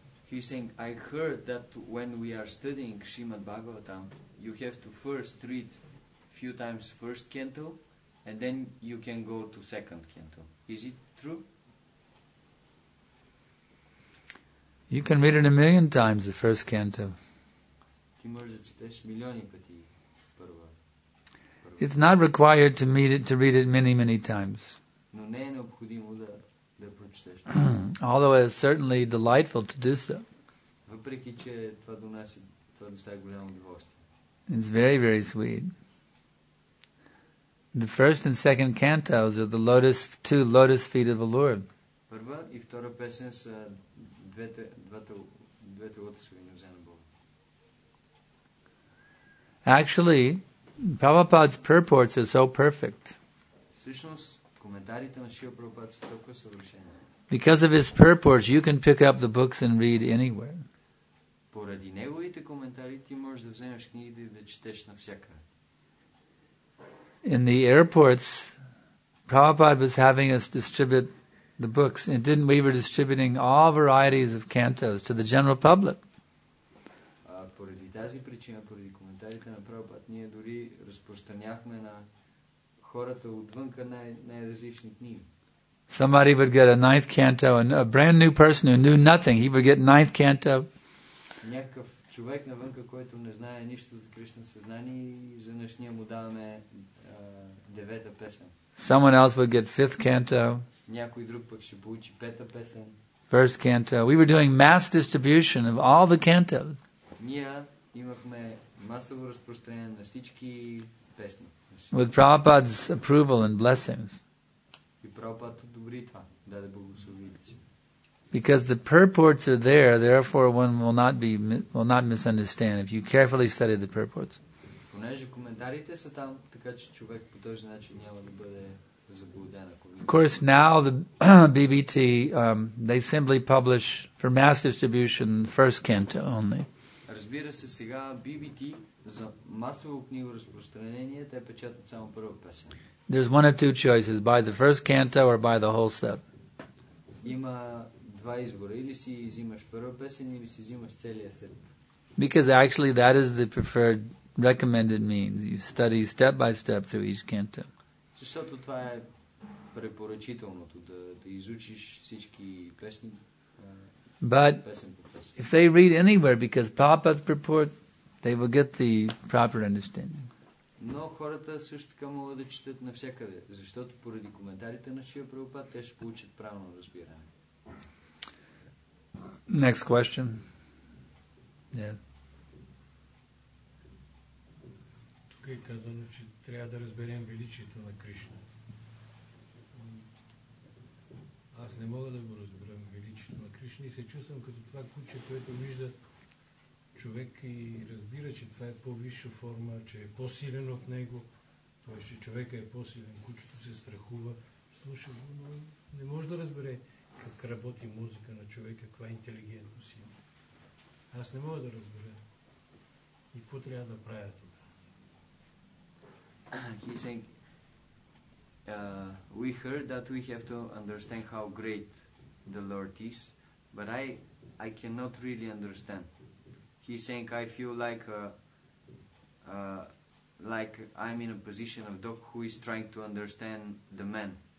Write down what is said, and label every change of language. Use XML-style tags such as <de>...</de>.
<en>He's saying, I heard that when we are studying Srimad Bhagavatam, you have to first read few times first canto, and then you can go to second canto. Is it true? You can read it a million times, the first canto.</en> <bg>Ти можеш да четеш милиони пъти първа.</bg> <en>It's not required to read it many, many times.</en> <bg>Но не е необходимо да прочетеш.</bg> <en>Although it's certainly delightful to do so.</en> <bg>Въпреки че това донесе, това достави голямо удоволствие.</bg> <en>It's very, very sweet. The first and second cantos are the lotus, two lotus feet of the Lord.</en> <bg>Първа и втора песен са двете лотосови нозе на Бога.</bg> <en>Actually, Prabhupada's purports are so perfect.</en> <bg>Всъщност, коментарите на Шрила Прабхупада са толкова съвършени.</bg> <en>Because of his purports, you can pick up the books and read anywhere.</en> <bg>Поради неговите коментари ти можеш да вземеш книгите и да четеш навсякъде.</bg> <en>In the airports, Prabhupada was having us distribute the books, and didn't we were distributing all varieties of cantos to the general public.</en> <bg>Поради тази причина, поради коментарите на Прабхупада, ние дори разпространяхме на хората отвънка най-различни книги.</bg> <en>Somebody would get a ninth canto, and a brand new person who knew nothing, he would get ninth canto.</en> <bg>Някакъв човек навънка, който не знае нищо за Кришна съзнание, за наш ние му даваме девета песен.</bg> <en>Someone else would get fifth canto.</en> <bg>Някой друг пък ще получи пета песен.</bg> <en>First canto. We were doing mass distribution of all the cantos.</en> <bg>Ние имахме масово разпространение на всички песни.</bg> <en>With Prabhupada's approval and blessings.</en> <bg>И Прабхупад одобри това, даде благослови.</bg> <en>Because the purports are there, therefore one will not misunderstand if you carefully study the purports.</en> <bg>Понеже коментарите са там, така че човек по този начин няма да бъде заблуден.</bg> <en>Of course, now the BBT, they simply publish for mass distribution first canto only.</en> <bg>Разбира се, сега BBT за масово книго разпространение те печатат само първа песен.</bg> <en>There's one of two choices, buy the first canto or buy the whole set.</en> <bg>Има два избора. Или си взимаш първа песен, или си взимаш целия сет.</bg> <en>Because actually that is the preferred recommended means. You study step by step through each canto.</en> <bg>Защото това е препоръчителното, да изучиш всички песни.</bg> <en>But if they read anywhere because Prabhupada's purport, they will get the proper understanding.</en> <bg>Но хората също така могат да четат навсякъде, защото поради коментарите на Шрила Прабхупада те ще получат правилно разбиране.</bg> <en>Next question. Yeah.</en> <bg>Тук е казано, че трябва да разберем величието на Кришна. Аз не мога да го разберем величието на Кришна и се чувствам като това куче, което вижда човек и разбира, че това е по-висша форма, че е по-силен от него, т.е. че човека е по-силен, кучето се страхува, слуша го, но не може да разбере как работи музика на човека, каква интелигентност има. Аз не мога да разбера. И какво трябва да правя тук?</bg> <en>He's saying, we heard that we have to understand how great the Lord is, but I cannot really understand. He's saying, I feel like I'm in a position of dog who is trying to understand the man.</en>